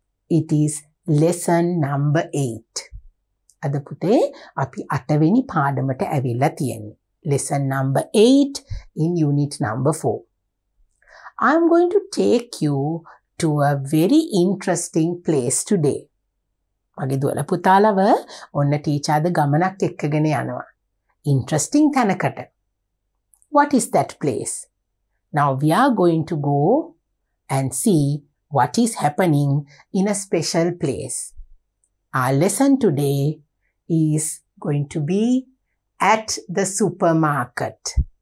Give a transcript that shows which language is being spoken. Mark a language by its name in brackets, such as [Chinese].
[English] It is lesson number 8. [Sinhala] අද පුතේ අපි 8 වෙනි පාඩමට ඇවිල්ලා තියෙන්නේ. [English] Lesson number 8 in unit number 4. I am going to take you to a very interesting place today. [Sinhala] මගේ දුවල පුතාලව ඔන්න ටීචර්ද ගමනක් එක්කගෙන යනවා. [English] Interesting තැනකට. What is that place? Now we are going to go and see what is happening in a special place. Our lesson today is going to be at the supermarket.